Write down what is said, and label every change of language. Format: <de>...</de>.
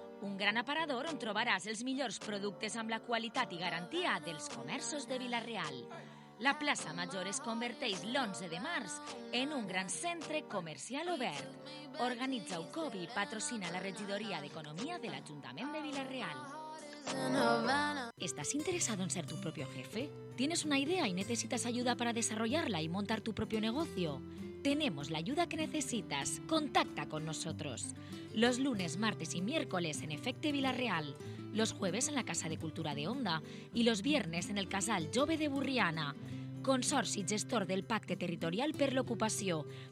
<ca>un gran aparador on trobaràs els millors productes amb la qualitat i garantia dels comerços de Vila-real. La plaça Major es converteix l'11 de març en un gran centre comercial obert. Organitza UCOBI i patrocina la regidoria d'economia de l'Ajuntament de Vila-real.</ca> <es>¿Estás interesado en ser tu propio jefe? ¿Tienes una idea y necesitas ayuda para desarrollarla y montar tu propio negocio? Tenemos la ayuda que necesitas. Contacta con nosotros. Los lunes, martes y miércoles en Efecte Vila-real. Los jueves en la Casa de Cultura de Onda y los viernes en el Casal Jove de Burriana.</es> <ca>Consorci gestor del Pacte Territorial per l'Ocupació.</ca>